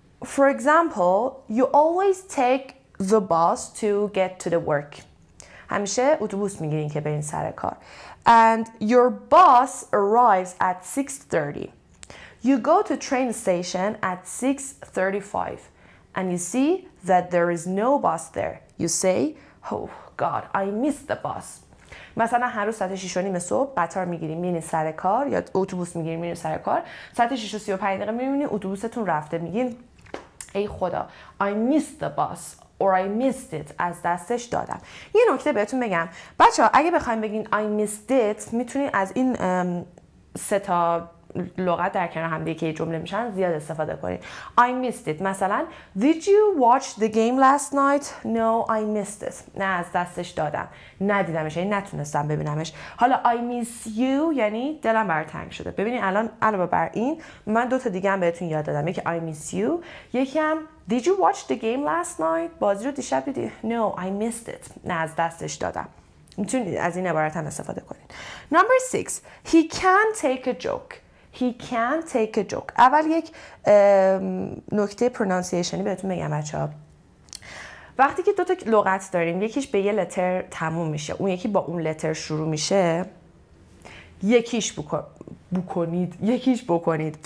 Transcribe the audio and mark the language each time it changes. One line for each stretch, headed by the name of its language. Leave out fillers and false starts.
English: For example, you always take the bus to get to the work. همیشه اتوبوس میگیرین که برین سر کار. And your bus arrives at 6:30. You go to train station at 6:35. And you see that there is no bus there. You say, oh God, I missed the bus.
Persian: مثلا هر روز ساعت 6 و نیم صبح قطار میگیریم میرین سر کار یا اتوبوس میگیریم میرین سر کار. ساعت 6 و 35 دقیقه میبینین اتوبوستون رفته. میگین ای خدا.
English: I missed the bus. Or I missed it.
Persian: از دستش دادم. یه نکته بهتون بگم. بچه ها اگه بخواییم بگین
English: I missed it
Persian: میتونین از این سه تا لغت در کنار هم دیگه که جمله میشن زیاد استفاده کنید.
English: I missed it.
Persian: مثلا
English: Did you watch the game last night? No, I missed it.
Persian: نه از دستش دادم. ندیدمش. یعنی نتونستم ببینمش. حالا
English: I miss you
Persian: یعنی دلم برات تنگ شده. ببینید الان علاوه بر این من دوتا دیگه هم بهتون یاد دادم. یکی
English: I miss you.
Persian: یکی هم
English: Did you watch the game last night?
Persian: بازی رو دیشب دیدی؟
English: No, I missed it.
Persian: نه از دستش دادم. میتونید از این عبارت هم استفاده کنید.
English: Number 6. He can take a joke. He can take a joke.
Persian: اول یک نکته پرونانسیشنی بهتون میگم بچه‌ها. وقتی که دو تا لغت داریم یکیش به یه لتر تموم میشه، اون یکی با اون لتر شروع میشه، یکیش بکنید، یکیش بکنید.